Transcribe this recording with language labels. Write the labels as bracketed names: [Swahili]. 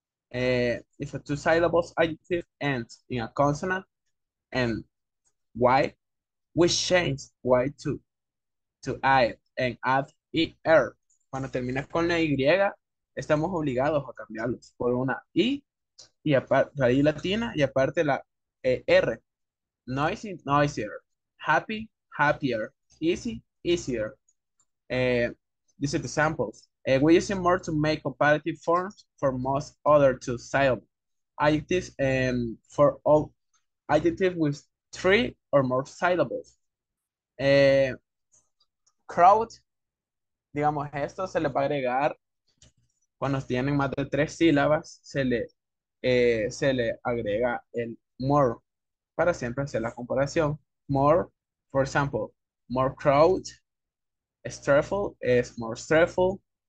[English] If a two syllables adjective ends in a consonant and Y, we change Y to I and add ER. [Spanish] Cuando termina con la Y, estamos obligados a cambiarlos por una I, y aparte la I latina y aparte la ER. [English] Noisy, noisier. Happy, happier. Easy, easier. These are the samples. We're using more to make comparative forms for most other two syllables. Adjectives and for all adjectives with three or more syllables. [Spanish] Crowd, digamos, esto se le va a agregar cuando tienen más de tres sílabas, se le agrega el more para siempre hacer la comparación. [English] More, for example, more crowd. Stressful is more stressful.